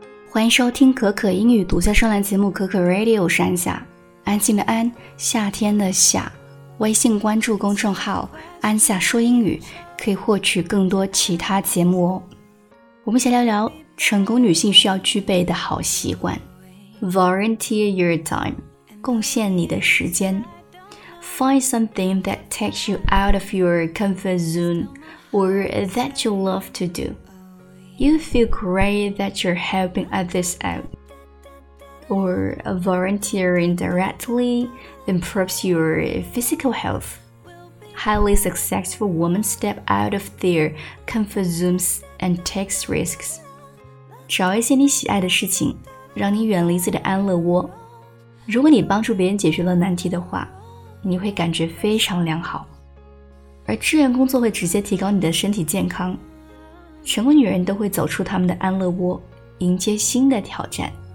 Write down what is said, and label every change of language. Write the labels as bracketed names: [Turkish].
[Chinese] 欢迎收听可可英语独家专栏节目可可 Radio， 我是安夏，安静的安，夏天的夏。微信关注公众号安夏说英语，可以获取更多其他节目哦。我们先聊聊成功女性需要具备的好习惯。 [English] Volunteer your time， [Chinese] 贡献你的时间。 [English] Find something that takes you out of your comfort zone or that you love to do。 You feel great that you're helping others out, or volunteering directly improves your physical health. Highly successful women step out of their comfort zones and take risks. [Chinese] 找一些你喜爱的事情，让你远离自己的安乐窝。如果你帮助别人解决了难题的话，你会感觉非常良好。而志愿工作会直接提高你的身体健康。成功女人都会走出她们的安乐窝，迎接新的挑战。